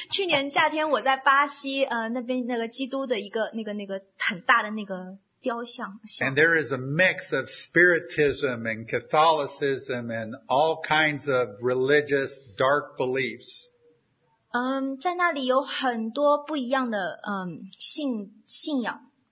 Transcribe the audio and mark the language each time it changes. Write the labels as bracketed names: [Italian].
[Chinese] 去年夏天我在巴西那边那个基督的一个那个很大的那个雕像。 [English] And there is a mix of spiritism and Catholicism and all kinds of religious dark beliefs. [Chinese] 在那里有很多不一样的信仰。